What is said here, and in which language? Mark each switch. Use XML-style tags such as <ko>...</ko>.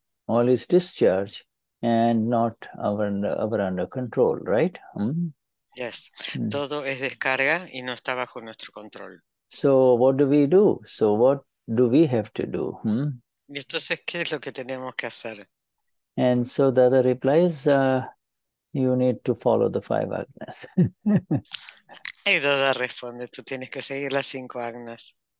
<en>All is discharge and not under control, right? Yes.</en> <es>Todo es descarga y no está bajo nuestro control.</es> <en>So what do we do? So what do we have to do?</en> <es>Y entonces, ¿qué es lo que tenemos que hacer?</es> <en>And so Dada replies, you need to follow the five agnas.</en> <es>Y Dada responde, tú tienes que seguir las cinco agnas.</es>